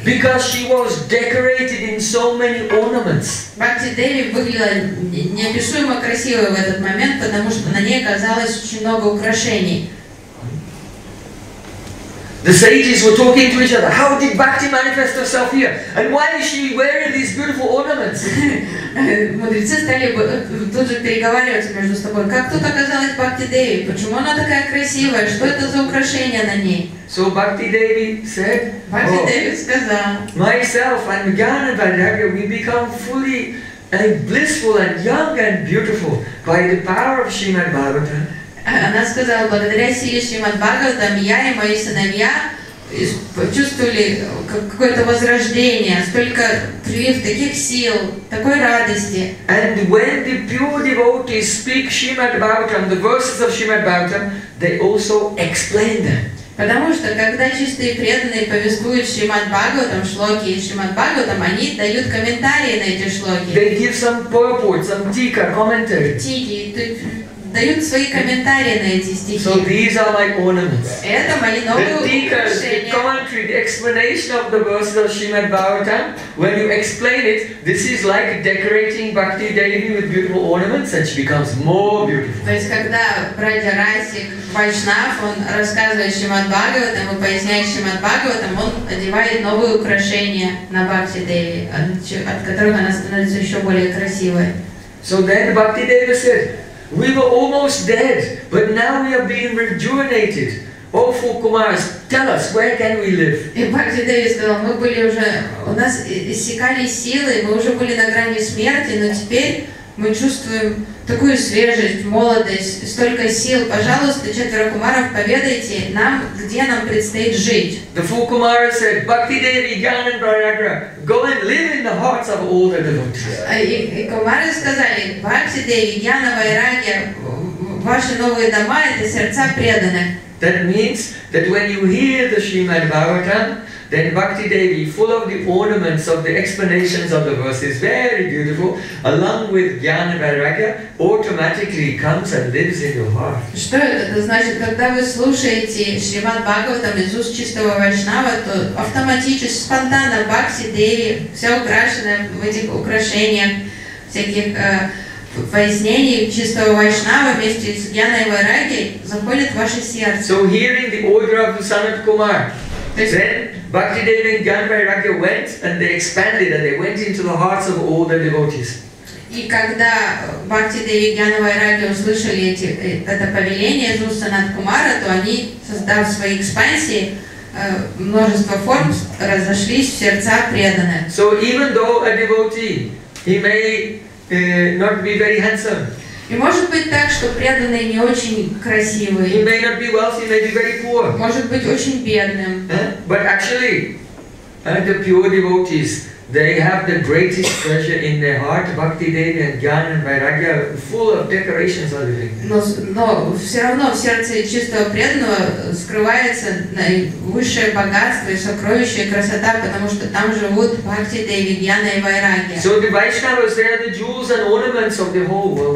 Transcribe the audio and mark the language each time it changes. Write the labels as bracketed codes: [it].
[en] Because she was decorated in so many ornaments. [ru] Бхакти Деви выглядела неописуемо красиво в этот момент, потому что на ней оказалось очень много украшений. [en] The sages were talking to each other. How did Bhakti manifest herself here? And why is she wearing these beautiful ornaments? [ru] Мудрецы стали тут же переговариваться между собой. Как тут оказалась Бхакти Деви? Почему она такая красивая? Что это за украшение на ней? [en] So Bhakti Devi said, [ru] Bhakti Devi сказал, [en] myself and Gana Vairagya, we become fully and blissful and young and beautiful by the power of Srimad Bhagavatam. [ru] Она сказала, благодаря силе Шримад Бхагаватам, я и мои сыновья почувствовали какое-то возрождение, столько прилив таких сил, такой радости. [en] And when the pure devotees speak Shrimad Bhagavatam, the verses of Shrimad Bhagavatam, they also explain them. [ru] Потому что когда чистые преданные повествуют Шримад Бхагаватам, шлоки и Шримад Бхагаватам, они дают комментарии на эти шлоки. [en] They give some purport, some tika, commentary. [ru] Дают свои комментарии на эти стихи. [en] So these are my ornaments. [ru] Это мои новые украшения. [en] The commentary, the explanation of the verses of Srimad Bhagavatam, when you explain it, this is like decorating Bhakti Devi with beautiful ornaments, and she becomes more beautiful. [ru] То есть когда братья Раси Вайшнав, он рассказывает Шримад Бхагаватам, и поясняет Шримад Бхагаватам, он одевает новые украшения на Бхакти Деви, от которых она становится еще более красивой. [en] So then Bhakti Devi said, we were almost dead, but now we have been rejuvenated. O four Kumaras, tell us, where can we live? [ru] И Бхакти Деви сказал, мы были уже, у нас иссякали силы, мы уже были на грани смерти, но теперь мы чувствуем такую свежесть, молодость, столько сил. Пожалуйста, четверо Кумаров, поведайте нам, где нам предстоит жить. [en] The four Kumaras said, Bhakti Devi, Gyan and Vairagya, go and live in the hearts of all the devotees. [ru] И Кумары сказали, Бхакти Деви, Гьян и Вайрагья, ваши новые дома – это сердца преданных. [en] That means that when you hear the Srimad Bhagavatam, then Bhakti Devi, full of the ornaments of the explanations of the verses, very beautiful, along with Jnana Vairagya, automatically comes and lives in your heart. [ru] Что это значит? Когда вы слушаете Шримад Бхагаватам из уст чистого Вайшнава, то автоматически, спонтанно Бхакти Деви, вся украшенная в этих украшениях, всяких пояснений чистого Вайшнава вместе с Джнаной Вайрагьей, заходит в ваше сердце. [en] So hearing the order of the Sanat Kumar, then Bhakti Devi and Gyan Vairagya went and they expanded and they went into the hearts of all the devotees. [ru] И когда Бхакти Деви и Гьяна Вайрагья услышали это повеление из уст Санат Кумара, то они, создав свои экспансии, множество форм разошлись в сердца преданных. [en] So even though a devotee, he may not be very handsome. [ru] И может быть так, что преданные не очень красивые. [en] He may not be wealthy, may be very poor. [ru] Может быть очень бедным. [en] But actually, the pure devotees, they have the greatest treasure in their heart, Bhakti Devi and Gyan and Vairagya, full of decorations are living. [ru] Но все равно в сердце чистого преданного скрывается наивысшее богатство и сокровище, красота, потому что там живут Бхакти Деви, Гьяна и Вайрагья. [en] So the Vaishnavas, they are the jewels and ornaments of the whole world.